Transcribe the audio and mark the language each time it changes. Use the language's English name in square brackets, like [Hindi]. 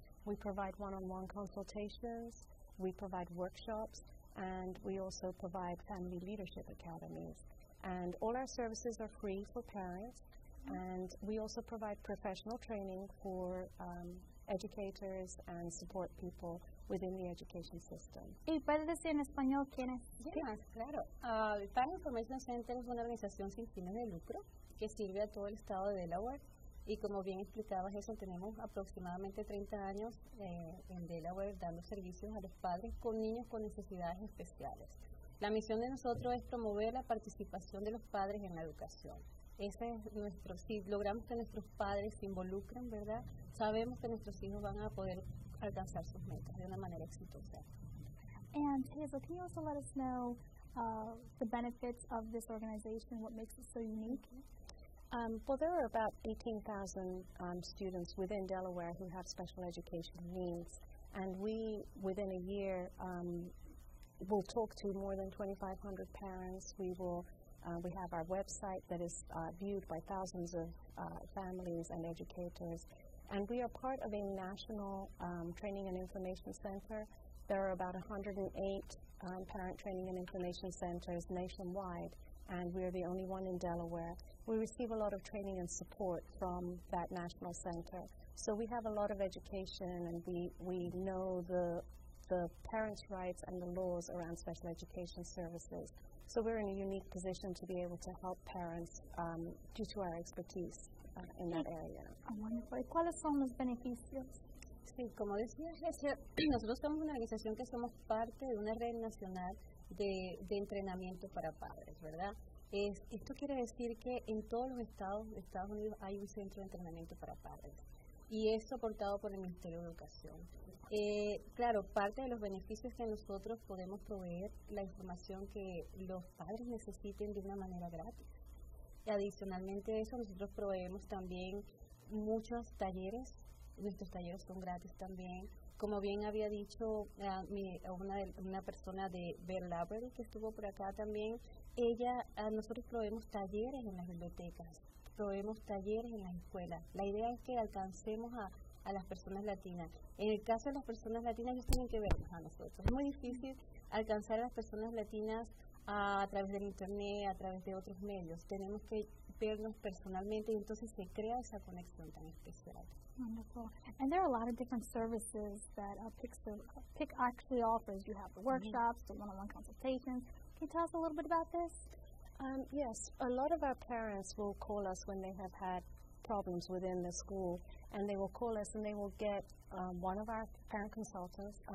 [English] We provide one-on-one consultations, we provide workshops, and we also provide family leadership academies. And all our services are free for parents, mm-hmm. and we also provide professional training for educators and support people within the education system. [Spanish] ¿Y puedes decir en español quién es? [English] Yes, claro. [Spanish] Parent Information Center es una organización sin fines de lucro que sirve a todo el estado de Delaware. Y como bien explicabas eso, tenemos aproximadamente 30 años en Delaware dando servicios a los padres con niños con necesidades especiales. La misión de nosotros es promover la participación de los padres en la educación. Ese es nuestro, si logramos que nuestros padres se involucren, ¿verdad? Sabemos que nuestros hijos van a poder alcanzar sus metas de una manera exitosa. [English] And Hazel, can you also let us know the benefits of this organization, what makes it so unique? Well, there are about 18,000 students within Delaware who have special education needs. And we, within a year, will talk to more than 2,500 parents. We will. We have our website that is viewed by thousands of families and educators. And we are part of a national training and information center. There are about 108 parent training and information centers nationwide, and we are the only one in Delaware. We receive a lot of training and support from that national center. So we have a lot of education, and we know the parents' rights and the laws around special education services. So we're in a unique position to be able to help parents due to our expertise in that area. [Spanish] Wonderful. ¿Cuáles son los beneficios? Sí, como decía Jessica, nosotros somos una organización que somos parte de una red nacional de entrenamiento para padres, ¿verdad? Esto quiere decir que en todos los estados de Estados Unidos hay un centro de entrenamiento para padres. Y es soportado por el Ministerio de Educación. Claro, parte de los beneficios que nosotros podemos proveer la información que los padres necesiten de una manera gratis. Y adicionalmente a eso, nosotros proveemos también muchos talleres. Nuestros talleres son gratis también. Como bien había dicho una persona de Bell Library que estuvo por acá también, nosotros proveemos talleres en las bibliotecas. Proveemos talleres en las escuelas. La idea es que alcancemos a las personas latinas. En el caso de las personas latinas, ellos tienen que vernos a nosotros. Es muy difícil alcancar a las personas latinas a través del internet, a través de otros medios. Tenemos que vernos personalmente y entonces se crea esa conexión tan especial. [English] Wonderful. And there are a lot of different services that PIC actually offers. You have the workshops, the one-on-one consultations. Can you tell us a little bit about this? Yes, a lot of our parents will call us when they have had problems within the school, and they will call us and they will get one of our parent consultants.